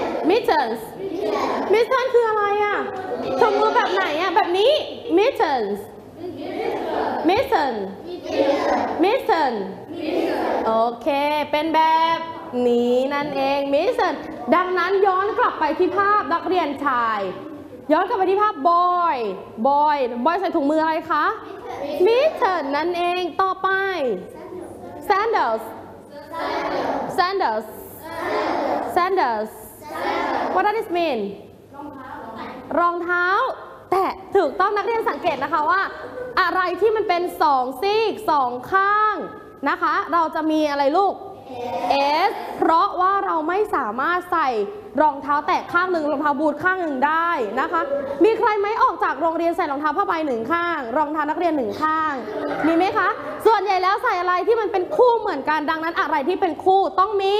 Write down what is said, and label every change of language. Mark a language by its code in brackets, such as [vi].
[th] mittens mittens คืออะไรอ่ะถุงมือแบบไหนอ่ะแบบนี้ mittens mittens mittensโอเคเป็นแบบนี้นั่นเองมิสเซนดังนั้นย้อนกลับไปที่ภาพนักเรียนชายย้อนกลับไปที่ภาพบอยใส่ถุงมืออะไรคะมิสเซนนั่นเองต่อไป sandals [en] sandals sandals what does this mean [th] รองเท้า แต่ถูกต้องนักเรียนสังเกตนะคะว่าอะไรที่มันเป็น2ซีก2ข้างนะคะเราจะมีอะไรลูก [en] S [th] เพราะว่าเราไม่สามารถใส่รองเท้าแตะข้างหนึ่งรองเท้าบูทข้างหนึ่งได้นะคะมีใครไหมออกจากโรงเรียนใส่รองเท้าผ้าใบ1ข้างรองเท้านักเรียน1ข้างมีไหมคะส่วนใหญ่แล้วใส่อะไรที่มันเป็นคู่เหมือนกันดังนั้นอะไรที่เป็นคู่ต้องมี